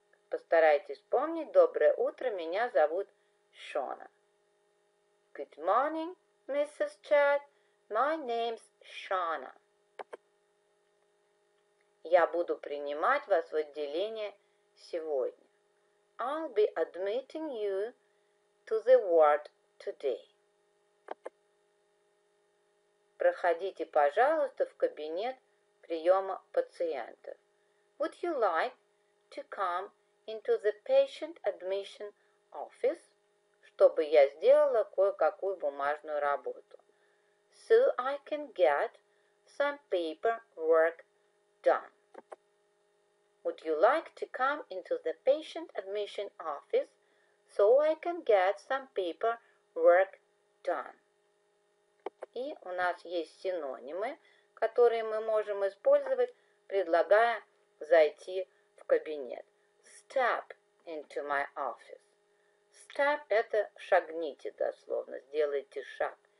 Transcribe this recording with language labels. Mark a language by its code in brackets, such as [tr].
[ru] Постарайтесь помнить. Доброе утро, меня зовут Шона. [en] Good morning, Mrs. Chad, my name's Shona. [ru] Я буду принимать вас в отделение сегодня. [en] I'll be admitting you to the ward today. [ru] Проходите, пожалуйста, в кабинет приема пациентов. [en] Would you like to come into the patient admission office? [ru] Чтобы я сделала кое-какую бумажную работу. [en] So I can get some paperwork done. Would you like to come into the patient admission office so I can get some paperwork done? [ru] И у нас есть синонимы, которые мы можем использовать, предлагая зайти в кабинет. [en] Step into my office. [ru] Step – это шагните дословно, сделайте шаг.